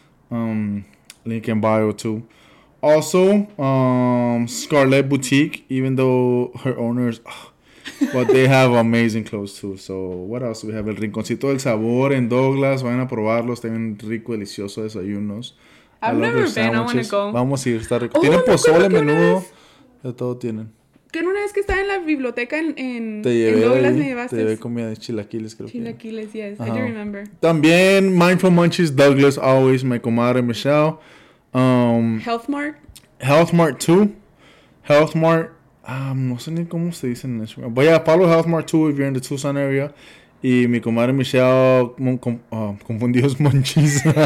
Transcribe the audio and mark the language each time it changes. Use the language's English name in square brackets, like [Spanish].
[English] Link in bio, too. Also, Scarlett Boutique, even though her owners... But they have amazing clothes too. So what else do we have? El Rinconcito del Sabor en Douglas. [Spanish] Vayan a probarlos. Tienen rico, delicioso desayunos. [English] I've never been. Sandwiches. I want to go. [Spanish] Vamos a ir. Está rico. Oh, tienen pozole, menudo. De todo tienen. ¿Qué no es que estaba en la biblioteca en te llevé en Douglas, ahí, me llevaste? Te llevé comida de chilaquiles, creo. [English] Chilaquiles, [Spanish] que. [English] Chilaquiles, yes. I do remember. [Spanish] También [English] Mindful Munchies, Douglas, always, my comadre, Michelle. Health Mart 2. Health Mart. [Spanish] No sé ni cómo se dice en eso. [English] But yeah, follow Health Mart 2 if you're in the Tucson area. [Spanish] Y mi comadre [English] Michelle, confundidos munchies.